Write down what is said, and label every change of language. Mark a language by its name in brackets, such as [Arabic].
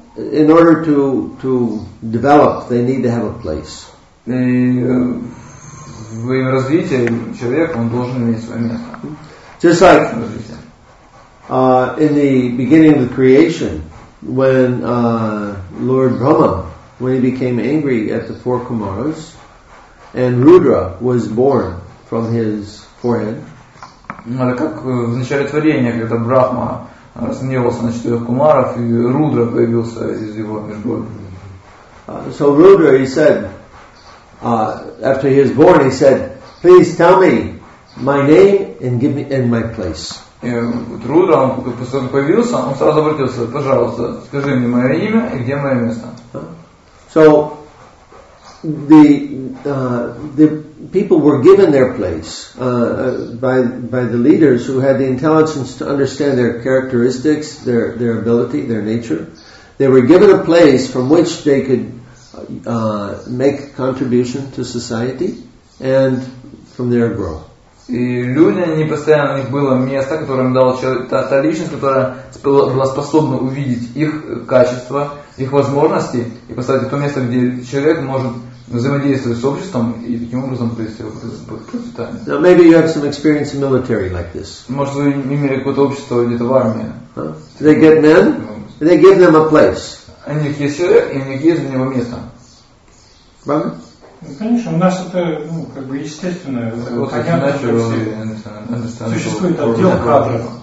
[English] In order to develop, they need to have a place. [Russian] В развитии человек он должен иметь свое место. [English] Just like in the beginning of the creation, when Lord Brahma, when he became angry at the four Kumaras, and Rudra was born from his forehead. [Russian] Это как в начале творения, когда Брахма разгневался на четырех кумаров, и Рудра появился из его межгорья. [English] So Rudra, he said, after he was born, he said, please tell me my name and give me and my place. [Russian] И вот Рудра, он после того, как появился, он сразу обратился, пожалуйста, скажи мне мое имя и где мое место. [English] So the people were given their place by the leaders who had the intelligence to understand their characteristics, their ability, their nature. They were given a place from which they could make contribution to society and from there grow. [Russian] И люди, они постоянно, у них было место, которое им дало человек, та личность, которая была способна увидеть их качества, их возможности и поставить то место, где человек может взаимодействовать с обществом и таким образом привести его к процветанию. [English] Now maybe you have some experience in military like this. [Russian] Может, вы имели какое-то общество где-то в армии? Huh? [English] They get men, and they give them a place. [Russian] У них есть человек, и у них есть для него место. Правильно? Конечно, у нас это, ну, как бы естественно, понятно, существует отдел кадров.